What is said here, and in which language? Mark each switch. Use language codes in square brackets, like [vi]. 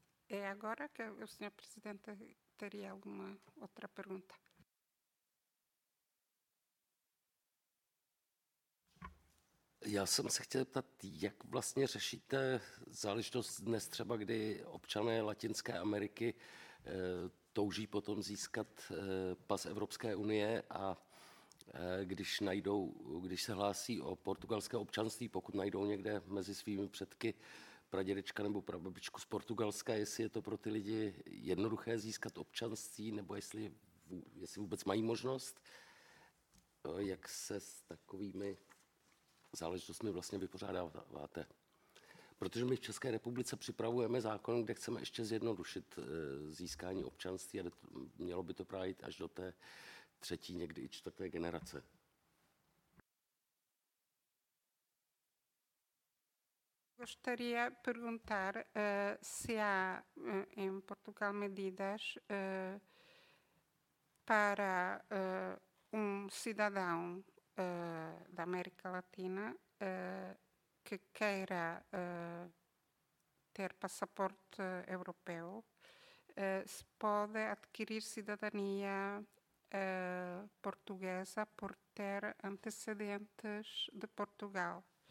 [pt] É agora que o senhor presidente teria alguma outra pergunta. [cs] Já jsem se chtěl ptat, jak vlastně řešíte záležitost dnes třeba, kdy občané Latinské Ameriky touží potom získat pas Evropské unie a když se hlásí o portugalské občanství, pokud najdou někde mezi svými předky pradědečka nebo prababičku z Portugalska, jestli je to pro ty lidi jednoduché získat občanství, nebo jestli vůbec mají možnost, jak se s takovými záležitostmi vlastně vypořádáváte. Protože my v České republice připravujeme zákon, kde chceme ještě zjednodušit získání občanství a mělo by to právě až do té třetí, někdy i čtvrté generace. [pt] Gostaria de perguntar se há em Portugal medidas para um cidadão da América Latina que queira ter passaporte europeu, se pode adquirir cidadania portuguesa por ter antecedentes de Portugal.